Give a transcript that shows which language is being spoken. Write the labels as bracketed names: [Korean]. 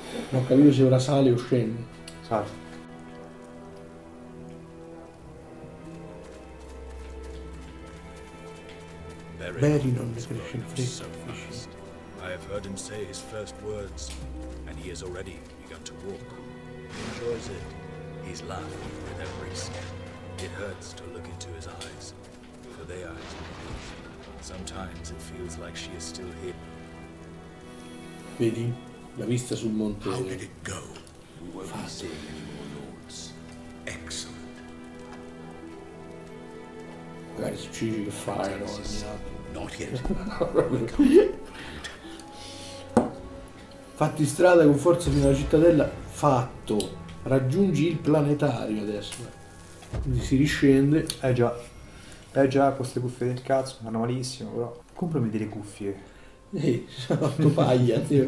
[Italian] Non capisco se ora sale o scende. Sale. Barry non ne cresce in fretta. [English] I have heard him say his first words, and he has already begun to walk. He enjoys it. He's laughing with every step. It hurts to look into his eyes, for they are his eyes. Sometimes it feels like she is still here. [Italian] Vedi la vista sul monte. [English] How did it go? We won't be seeing any more lords. Excellent. That is truly the fire on me. Not yet. [Italian] Fatti strada con forza fino alla cittadella. Fatto. Raggiungi il planetario adesso. Quindi si riscende. Eh già, queste cuffie del cazzo, vanno malissimo, però. Comprami delle cuffie. Sono fatto paglia, zio